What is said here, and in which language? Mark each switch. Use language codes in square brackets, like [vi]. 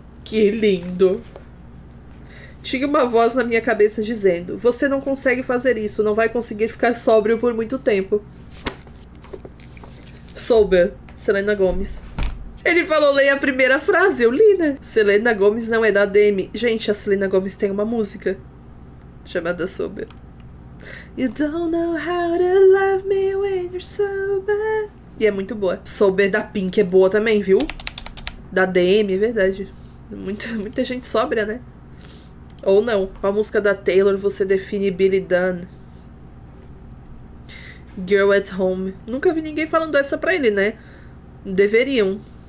[pt] Que lindo. Tinha uma voz na minha cabeça dizendo: você não consegue fazer isso, não vai conseguir ficar sóbrio por muito tempo. Sober, Selena Gomez. Ele falou, leia a primeira frase, eu li, né? Selena Gomez não é da Demi. Gente, a Selena Gomez tem uma música chamada Sober. [en] You don't know how to love me when you're sober. [pt] E é muito boa. Sober da Pink é boa também, viu? Da Demi, é verdade. Muita gente sóbria, né? Ou não. Com a música da Taylor, você define Billy Dunn. Girl at Home. Nunca vi ninguém falando essa pra ele, né? Deveriam.